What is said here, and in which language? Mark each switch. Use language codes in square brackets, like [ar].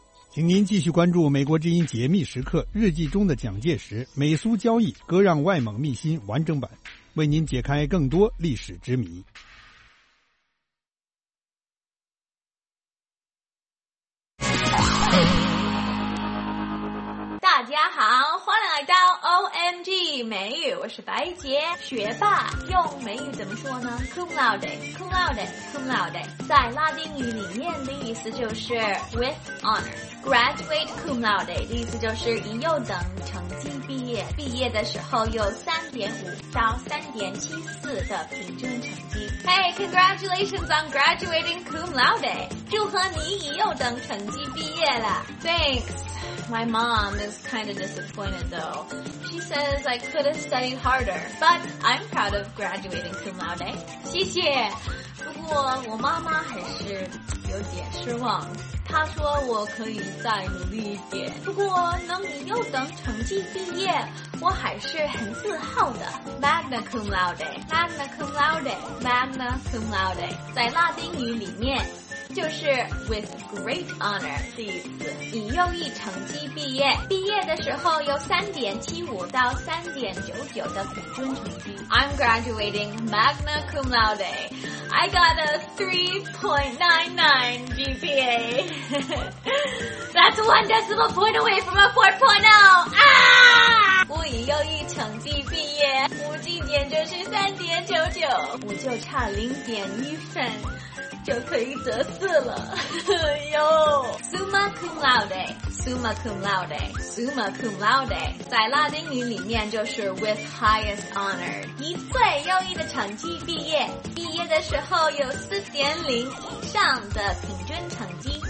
[zh] 请您继续关注《美国之音解密时刻》日记中的蒋介石美苏交易割让外蒙密辛完整版，为您解开更多历史之谜。大家好，欢迎来到 OMG。美语，我是白杰。学霸用美语怎么说呢 ？ [la] Cum laude, cum laude, cum laude。 [zh] 在拉丁语里面的意思就是 [en] with honor。 [zh] Graduate cum laude 的意思就是以优等成绩毕业，毕业的时候有3.5到3.74的平均成绩。 [en] Hey, congratulations on graduating cum laude！ [zh] 祝贺你以优等成绩毕业了。 [en] Thanks。 My mom is kind of disappointed though. She says I could have studied harder, but I'm proud of graduating cum laude. [zh] 谢谢。不过我妈妈还是有点失望。她说我可以再努力一点。不过能以优等成绩毕业，我还是很自豪的。 [la] Magna cum laude, magna cum laude, magna cum laude。 [zh] 在拉丁语里面就是 [en] with great honor [zh] 的意思，以优异成绩毕业，毕业的时候有3.75到3.99的平均成绩。 [en] I'm graduating magna cum laude. I got a 3.99 GPA. That's one decimal point away from a 4.0. 啊！ [zh] 我以优异成绩毕业，母绩点就是3.99，我就差0.1分。就可以得四了哟。 [la] Summa cum laude, summa cum laude, [zh] summa cum laude， 在拉丁语里面就是 [en] with highest honor， [zh] 以最优异的成绩毕业，毕业的时候有4.0以上的平均成绩。